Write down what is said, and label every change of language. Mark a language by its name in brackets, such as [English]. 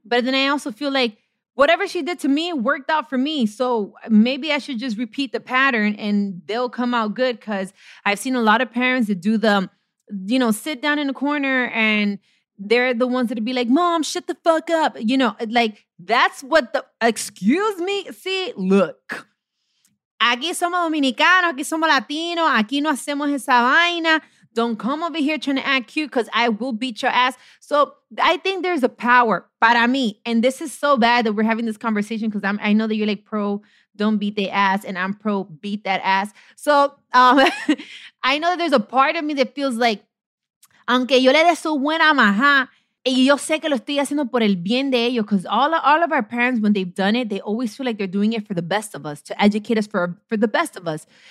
[English] But then I also feel like whatever she did to me worked out for me. So maybe I should just repeat the pattern and they'll come out good, because I've seen a lot of parents that do the, you know, sit down in a corner and they're the ones that would be like, mom, shut the fuck up. You know, like that's what the, excuse me. [Spanish] See, look, aquí somos dominicanos, aquí somos latinos, aquí no hacemos esa vaina. [English] Don't come over here trying to act cute because I will beat your ass. So I think there's a power [Spanish] para mí. [English] And this is so bad that we're having this conversation, because I know that you're like pro don't beat the ass and I'm pro beat that ass. So I know that there's a part of me that feels like, [Spanish] aunque yo le dé su buena maja, y yo sé que lo estoy haciendo por el bien de ellos, [English] because all of our parents, when they've done it, they always feel like they're doing it for the best of us, to educate us for the best of us.